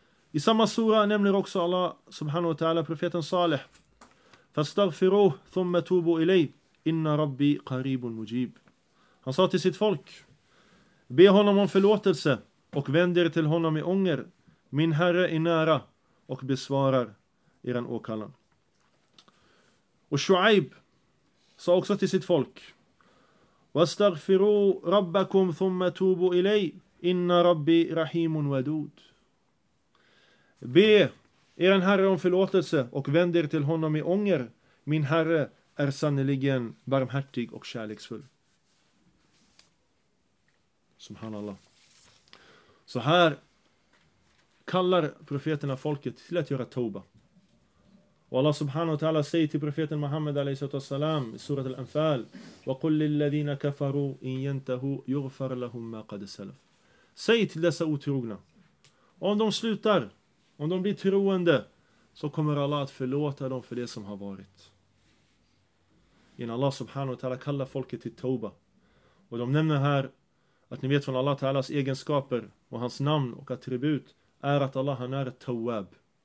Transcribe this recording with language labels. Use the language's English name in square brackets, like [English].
[Swedish] I samma sura nämner också Allah subhanahu wa ta'ala profeten Salih: [Arabic] فَاسْتَغْفِرُوْهُ ثُمَّ تُوبُوا إِلَيْهِ إِنَّ رَبِّي قَرِيبٌ مُجِيبٌ. [Swedish] Han sa till sitt folk: be honom om förlåtelse och vänd er till honom i ånger. Min herre är nära och besvarar er åkallan. Och Shu'aib sa också till sitt folk: [Arabic] وَاسْتَغْفِرُوْ رَبَّكُمْ ثُمَّ تُوبُوا إِلَيْهِ إِنَّ رَبِّي رَحِيمٌ وَدُودٌ. [Swedish] Be er en herre om förlåtelse och vänd er till honom i ånger. Min herre är sannoliken barmhärtig och kärleksfull. Som han Allah. Så här kallar profeterna folket till att göra toba. Och Allah subhanahu wa ta'ala säger till profeten Muhammad a.s. i surat al-Anfal: [Arabic] وَقُلْ لِلَّذِينَ كَفَرُوا إِنْ يَنْتَهُ يُغْفَرْ لَهُمْ مَا قَدْ سَلَفْ. [Swedish] Säg till dessa otrogna: om de slutar, om de blir troende, så kommer Allah att förlåta dem för det som har varit. Genom Allah subhanahu wa ta'ala kallar folket till Tauba. Och de nämner här att ni vet från Allah ta'alas egenskaper och hans namn och attribut är att Allah han är ett tawwab.